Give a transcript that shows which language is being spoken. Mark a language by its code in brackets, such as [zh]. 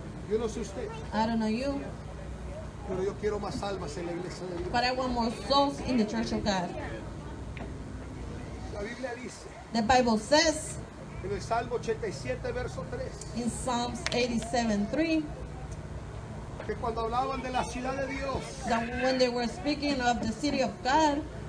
[es] Yo no sé usted. [en] I don't know you. [es] Pero yo quiero más almas en la iglesia de Dios. [en] But I want more souls in the church of God. [es] Yo Biblia dice, [en] the Bible says [es] en el Salmo 87, verso 3, [en] in Psalms 87:3, [es] que cuando hablaban de la ciudad de Dios, [en] that when they were speaking of the city of God,